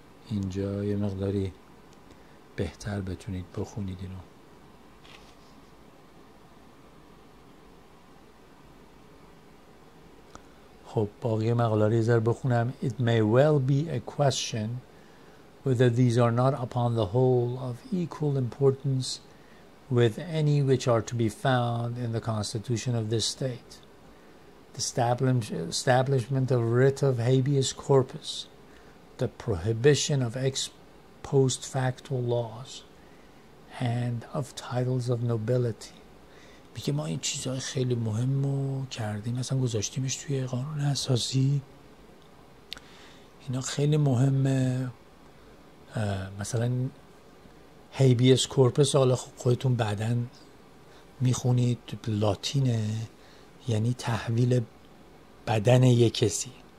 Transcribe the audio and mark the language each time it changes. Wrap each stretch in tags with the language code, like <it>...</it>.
<fa>اینجا یه مقداری بهتر بتونید بخونید اینو. خب باقی مقاله رو زر بخونم.</fa> <en>It may well be a question whether these are not upon the whole of equal importance with any which are to be found in the constitution of this state. The establishment of writ of habeas corpus, the prohibition of ex post facto laws, and of titles of nobility.</en> <fa>میگه ما این چیزهای خیلی مهم رو کردیم، اصلا گذاشتیمش توی قانون اساسی. اینا خیلی مهمه، مثلا هیبیس کورپس، حالا خودتون بعدا میخونید، لاتینه، یعنی تحویل بدن یک کسی.</fa>